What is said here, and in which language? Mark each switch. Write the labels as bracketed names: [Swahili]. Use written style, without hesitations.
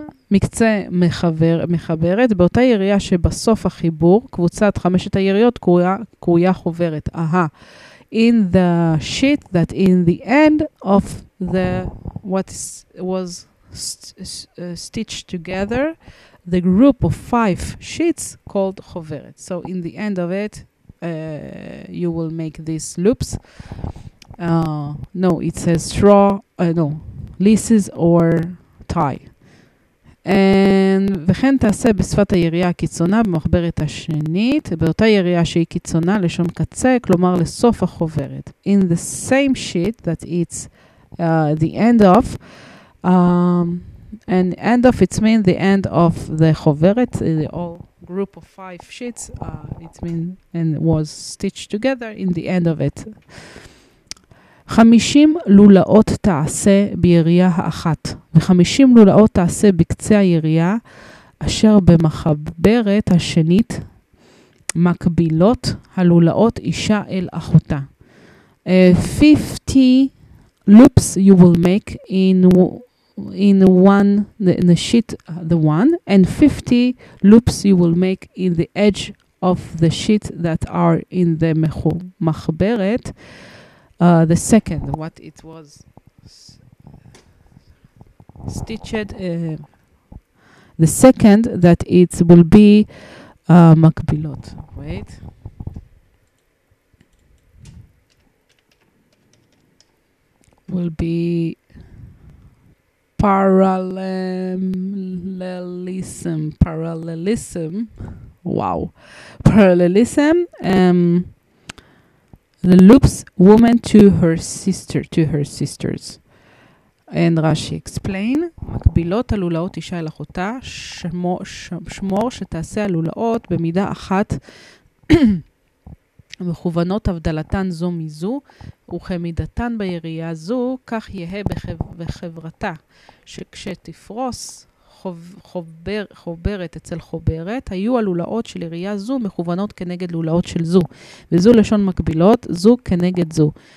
[Hebrew] מקצה מחברת, באותה יריעה שבסוף החיבור, קבוצת חמשת היריעות קרויה חוברת. Aha. [English] In the sheet that in the end of the what was stitched together, the group of five sheets called חוברת. So in the end of it, you will make these loops. No, it says straw, no, leases or tie. [Hebrew] And וכן תעשה בשפת היריעה הקיצונה במחברת השנית, באותה יריעה שהיא קיצונה לשון קצה, כלומר לסוף החוברת. [English] In the same sheet that it's the end of, and end of it means the end of the חוברת, the whole group of five sheets, it means, and was stitched together in the end of it. [Hebrew] 50 לולאות תעשה ביריעה האחת, ו-50 לולאות תעשה בקצה היריעה אשר במחברת השנית, מקבילות הלולאות אישה אל אחותה. [English] 50 loops you will make in one, the sheet, the one, and 50 loops you will make in the edge of the sheet that are in the מחברת, the second, what it was stitched, the second that it will be makbilot. Wait. Will be parallelism. Wow. Parallelism. The loops woman to her sister, to her sisters. And Rashi explain, [Hebrew] מקבילות הלולאות אישה אל אחותה, שמור שתעשה הלולאות במידה אחת, מכוונות הבדלתן זו מזו, וכמידתן ביריעה זו, כך יהיה בחברתה, שכשתפרוס חוברת אצל חוברת, היו הלולאות של עירייה זו מכוונות כנגד לולאות של זו, וזו לשון מקבילות, זו כנגד זו.